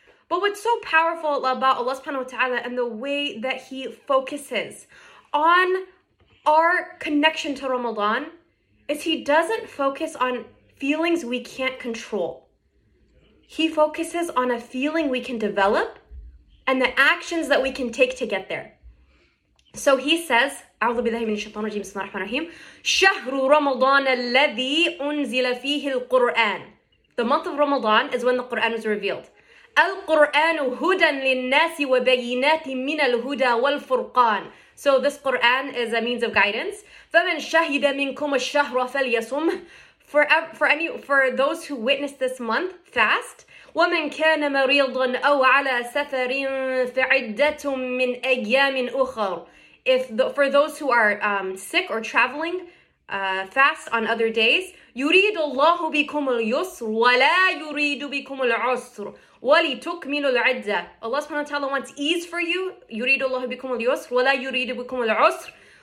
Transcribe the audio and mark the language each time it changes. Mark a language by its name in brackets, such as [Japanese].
[English] But what's so powerful about Allah subhanahu wa ta'ala and the way that He focuses on our connection to Ramadan is He doesn't focus on feelings we can't control. He focuses on a feeling we can develop and the actions that we can take to get there. So he says, [Arabic] أعوذ بالله من الشيطان الرجيم بسم الله الرحمن الرحيم شهر رمضان الذي أنزل فيه القرآن. [English] The month of Ramadan is when the Quran was revealed. [Arabic] القرآن هدى للناس وبينات من الهدى والفرقان. [English] So this Quran is a means of guidance. [Arabic] فمن شهد منكم الشهر فليصم. [English] For those who witness this month fast, [Arabic] وَمَنْ كَانَ مَرِيضًا أَوْ عَلَى سَفَرٍ فَعِدَّةٌ مِنْ أَيَّامٍ أُخَرٍ. [English] For those who are sick or traveling fast on other days, [Arabic] يُرِيدُ اللَّهُ بِكُمُ الْيُسْرَ وَلَا يُرِيدُ بِكُمُ الْعُسْرَ وَلِتُكْمِلُ الْعِدَّةَ. [English] Allah subhanahu wa ta'ala wants ease for you. [Arabic] يُرِيدُ اللَّهُ بِكُمُ الْيُسْرَ وَلَا يُرِيدُ بِكُمُ الْعُسْرَ.